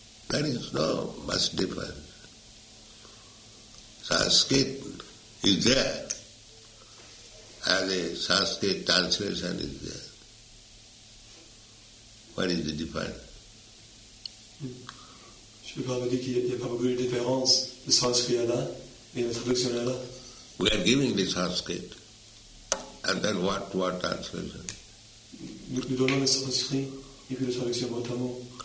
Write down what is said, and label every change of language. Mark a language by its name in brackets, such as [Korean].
[English] There is no much difference. Sanskrit is there, and the Sanskrit translation is there. What is the difference? [French] Je peux pas dire qu'il y a pas beaucoup de différence. Le Sanskrit est là et la traduction est là. [English] We are giving the Sanskrit, and then what translation? [French] Nous donnons le Sanskrit et puis la traduction mot à mot.